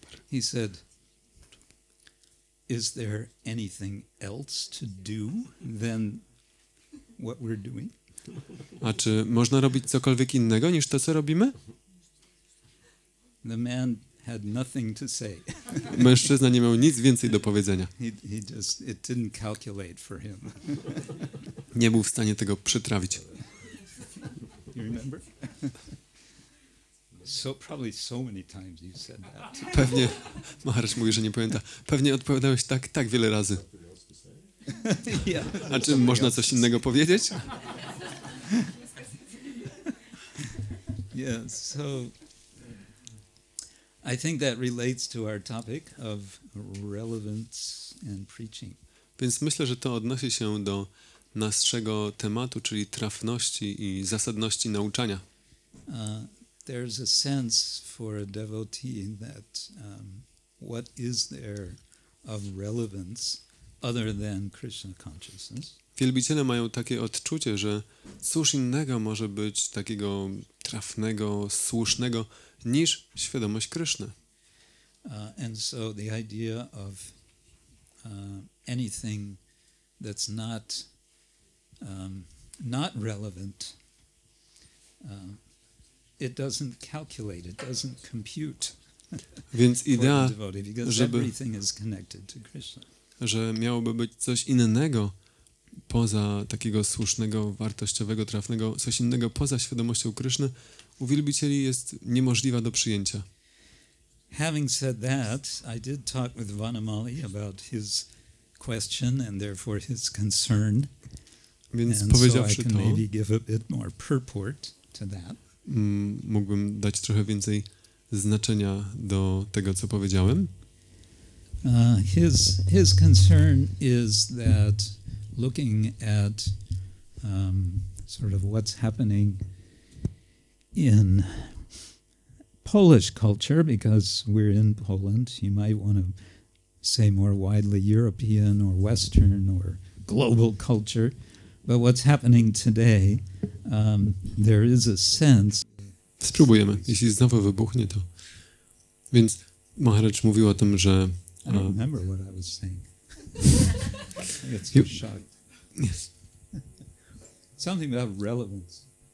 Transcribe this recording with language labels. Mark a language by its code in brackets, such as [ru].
[en] He said, "Is there anything else to do than what we're doing?" [pl] A czy można robić cokolwiek innego niż to, co robimy? [en] The man had nothing to say. [pl] Mężczyzna nie miał nic więcej do powiedzenia. [en] It didn't calculate for him. [pl] Nie był w stanie tego przytrawić. [en] You remember? So, probably so many times you said that. [pl] Pewnie, Maharaj mówi, że nie pamięta. Pewnie odpowiadałeś tak wiele razy. A czy można coś innego powiedzieć? [en] Yes, so I think that relates to our topic of relevance and preaching. [pl] Więc myślę, że to odnosi się do naszego tematu, czyli trafności i zasadności nauczania. [en] There's a sense for a devotee that what is there of relevance other than Krishna consciousness? [pl] Wielbiciele mają takie odczucie, że cóż innego może być takiego trafnego, słusznego niż świadomość Kryszny. [en] And so the idea of anything that's not not relevant, it doesn't calculate, it doesn't compute. [pl] Więc idea, żeby [en] everything is connected to Krishna, [pl] że miałoby być coś innego poza takiego słusznego, wartościowego, trafnego, coś innego poza świadomością Kryszny, u wielbicieli jest niemożliwa do przyjęcia. [en] Having said that, I did talk with Vanamali about his question and therefore his concern. [pl] Więc powiedziawszy to, [en] maybe give a bit more purport to that. [pl] Mógłbym dać trochę więcej znaczenia do tego, co powiedziałem. [en] His concern is that looking at sort of what's happening in Polish culture, because we're in Poland, you might want to say more widely European or Western or global culture, but what's happening today, there is a sense. [pl] Spróbujemy, jeśli znowu wybuchnie to. Więc Maharaj mówił o tym, że [en] I don't remember what I was saying. I get so shocked. Yes. Something about relevance.